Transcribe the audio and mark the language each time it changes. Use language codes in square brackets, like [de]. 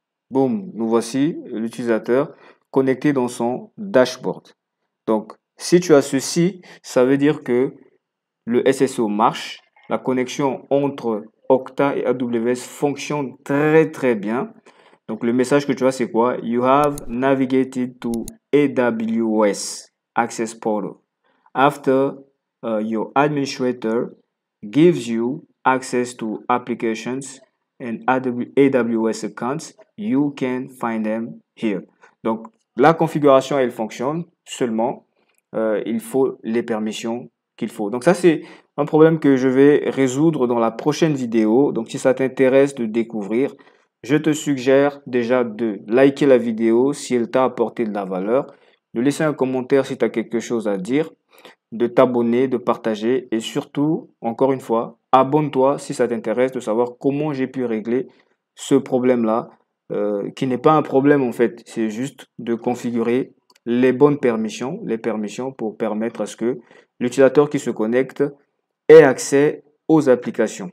[fr] Boum, nous voici, l'utilisateur connecté dans son dashboard. Donc, si tu as ceci, ça veut dire que le SSO marche. La connexion entre Okta et AWS fonctionne très très bien. Donc le message que tu as, c'est quoi? [en] You have navigated to AWS Access Portal after your administrator gives you access to applications and AWS accounts. You can find them here. [fr] Donc la configuration, elle fonctionne seulement. Il faut les permissions qu'il faut. Donc ça, c'est un problème que je vais résoudre dans la prochaine vidéo. Donc si ça t'intéresse de découvrir, je te suggère déjà de liker la vidéo si elle t'a apporté de la valeur, de laisser un commentaire si tu as quelque chose à dire, de t'abonner, de partager et surtout, encore une fois, abonne-toi si ça t'intéresse de savoir comment j'ai pu régler ce problème-là, qui n'est pas un problème en fait, c'est juste de configurer les bonnes permissions, les permissions pour permettre à ce que l'utilisateur qui se connecte ait accès aux applications.